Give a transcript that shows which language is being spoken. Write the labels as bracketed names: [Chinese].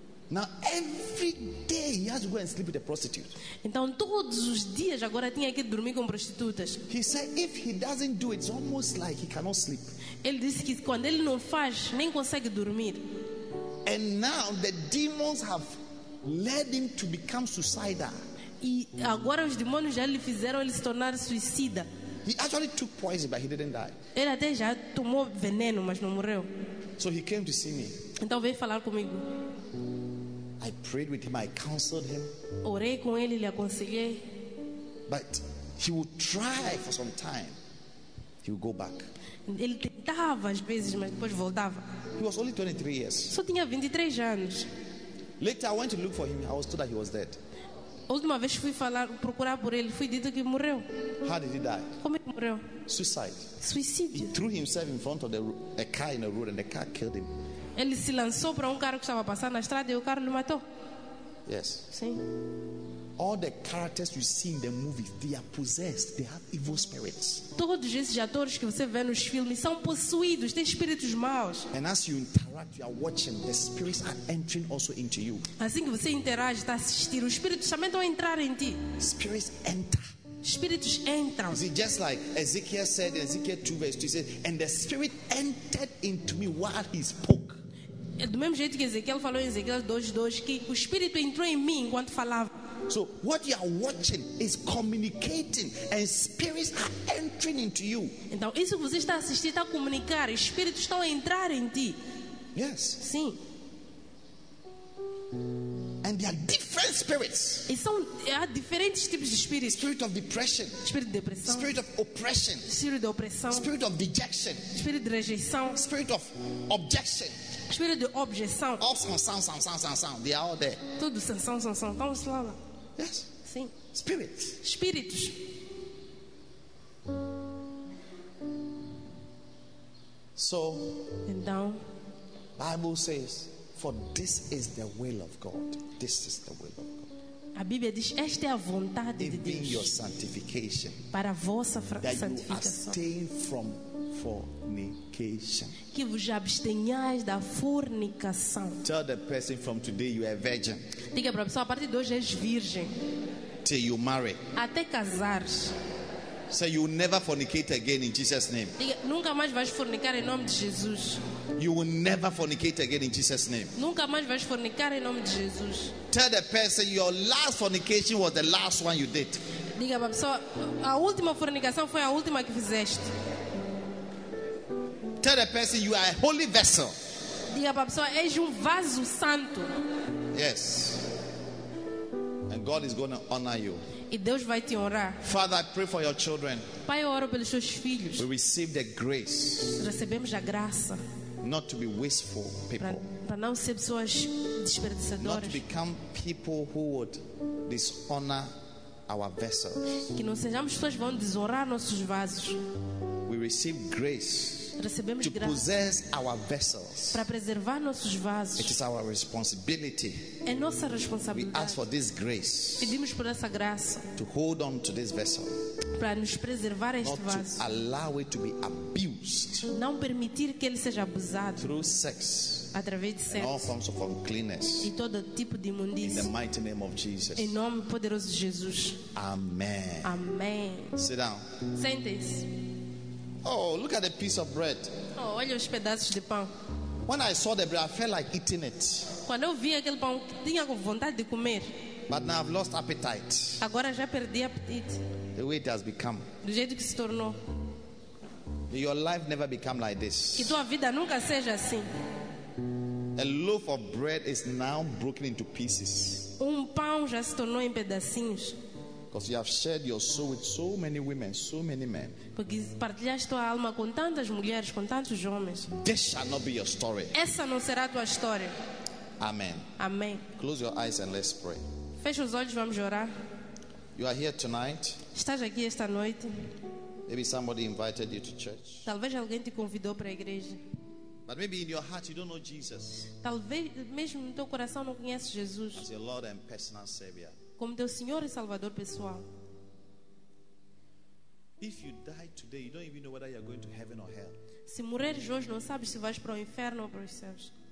[English] Now every day he has to go and sleep with a prostitute. [Portuguese] Então todos os dias agora tinha que dormir com prostitutas. [English] He said if he doesn't do it, it's almost like he cannot sleep. [Portuguese] Ele disse que quando ele não faz, nem consegue dormir. [English] And now the demons have led him to become suicidal. [Portuguese] E agora os demônios já lhe fizeram ele se tornar suicida. [English] He actually took poison, but he didn't die. [Portuguese] Ele até já tomou veneno, mas não morreu. [English] So he came to see me. [Portuguese] Então veio falar comigo. [English] I prayed with him. I counseled him. [Portuguese] Orei com ele, lhe aconselhei. [English] But he would try for some time. He would go back. [Portuguese] Ele tentava às vezes, mas depois voltava. [English] He was only 23 years. [Portuguese] Só tinha 23 anos. [English] Later, I went to look for him. I was told that he was dead. [Portuguese] Última vez fui falar, procurar por ele, fui dito que morreu. [English] How did he die? [Portuguese] Como ele morreu? [English] Suicide. [Portuguese] Suicídio. [English] He threw himself in front of a car in the road, and the car killed him. [Portuguese] Ele se lançou para carro que estava passando na estrada e o carro lhe matou. [English] Yes. [Portuguese] Sim. [English] All the characters you see in the movies, they are possessed. They have evil spirits. [Portuguese] Todos esses atores que você vê nos filmes são possuídos, têm espíritos maus. [English] And as you interact, you are watching, the spirits are entering also into you. [Portuguese] Assim que você interage, está assistindo, os espíritos também estão a entrar em ti. [English] Spirits enter. [Portuguese] Espíritos entram. [English] Is it just like Ezekiel said in Ezekiel 2 verse 2, he said, and the spirit entered into me while he spoke. [Portuguese] É do mesmo jeito que Ezequiel falou em Ezequiel 2:2 que o espírito entrou em mim enquanto falava. [English] So what you are watching is communicating and spirits are entering into you. [Portuguese] Então isso que você está assistindo está comunicar, espíritos estão a entrar em ti. [English] Yes. [Portuguese] Sim. [English] And there are different spirits. [Portuguese] E são há diferentes tipos de espíritos. [English] Spirit of depression. [Portuguese] Espírito de depressão. [English] Spirit of oppression. [Portuguese] Espírito de opressão. [English] Spirit of dejection. [Portuguese] Espírito de rejeição. [English] Spirit of objection. [Portuguese] Espírito de objeção. [English] All sound. They are all there. [Portuguese] Tudo são. Vamos lá. [English] Yes. [Portuguese] Sim. [English] Spirits. [Portuguese] Espíritos. [English] So. [Portuguese] Então. [English] Bible says, for this is the will of God. This is the will of God. [Portuguese] A Bíblia diz, esta é a vontade de Deus. [English] It being your sanctification. [Portuguese] Para a vossa santificação. [English] That you abstain from fornication. [Portuguese] Que vos abstenhais da fornicação. [English] Tell the person from today you are virgin. [Portuguese] Diga para a pessoa, a partir de hoje és virgem. [English] Till you marry. [Portuguese] Até casares. [English] Say you will never fornicate again in Jesus' name. [Portuguese] Diga, nunca mais vais fornicar em nome de Jesus. [English] You will never fornicate again in Jesus' name. [Portuguese] Nunca mais vais fornicar em nome de Jesus. [English] Tell the person your last fornication was the last one you did. [Portuguese] Diga para a pessoa, a última fornicação foi a última que fizeste. [English] Tell the person you are a holy vessel. [Portuguese] Diga para a pessoa, és vaso santo. [English] Yes. And God is going to honor you. [Portuguese] E Deus vai te honrar. [English] Father, I pray for your children. [Portuguese] Pai, eu oro pelos seus filhos. [English] We receive the grace. [Portuguese] Recebemos a graça. [English] Not to be wasteful people. [Portuguese] Para não ser pessoas desperdiçadoras. [English] Not to become people who would dishonor our vessels. [Portuguese] Que não sejamos pessoas que vão desonrar nossos vasos. [English] We receive grace. [Portuguese] Recebemos to graça. [English] Possess our vessels. [Portuguese] Para preservar nossos vasos. [English] It is our responsibility. [Portuguese] É nossa responsabilidade. [English] We ask for this grace. [Portuguese] Pedimos por essa graça. [English] To hold on to this vessel. [Portuguese] Para nos preservar este not vaso. [English] To allow it to be abused. [Portuguese] Não permitir que ele seja abusado. [English] Through sex. [Portuguese] Através de sexo. [English] And all forms of uncleanness. [Portuguese] E todo tipo de imundice. [English] In the mighty name of Jesus. [Portuguese] Em nome poderoso de Jesus. [English] Amen. [Portuguese] Amen. [English] Sit down. [Portuguese] Sente-se. [English] Oh, look at the piece of bread. [Portuguese] Oh, olha os pedaços de pão. [English] When I saw the bread, I felt like eating it. [Portuguese] Quando eu vi aquele pão, tinha vontade de comer. [English] But now I've lost appetite. [Portuguese] Agora já perdi apetite. [English] The way it has become. [Portuguese] Do jeito que se tornou. [English] Your life never become like this. [Portuguese] Que tua vida nunca seja assim. [English] A loaf of bread is now broken into pieces. [Portuguese] Pão já se tornou em pedacinhos. [English] Because you have shared your soul with so many women, so many men. [Portuguese] Porque partilhaste tua alma com tantas mulheres, com tantos homens. [English] This shall not be your story. [Portuguese] Essa não será a tua história. [English] Amen. [Portuguese] Amém. [English] Close your eyes and let's pray. [Portuguese] Feche os olhos, vamos orar. [English] You are here tonight. [Portuguese] Estás aqui esta noite. [English] Maybe somebody invited you to church. [Portuguese] Talvez alguém te convidou para a igreja. [English] But maybe in your heart you don't know Jesus. [Portuguese] Talvez mesmo no teu coração não conheces Jesus. [English] As your Lord and personal Savior. [Portuguese] Como teu Senhor e Salvador pessoal. [English] If you die today, you don't even know whether you are going to heaven or hell. [Portuguese] Se morreres hoje, não sabes se vais para o inferno ou para os céus.